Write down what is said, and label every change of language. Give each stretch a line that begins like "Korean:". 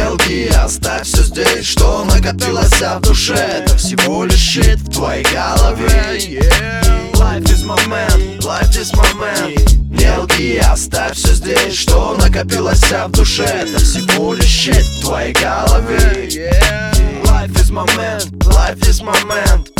Russian: и оставь все здесь, что накопилось в душе. Это всего лишь щит в твоей голове.
English: Life is moment, life is moment.
Russian: Мелки, оставь все здесь, что накопилось в душе. Это всего лишь щит в твоей голове.
English: Life is moment, life is moment.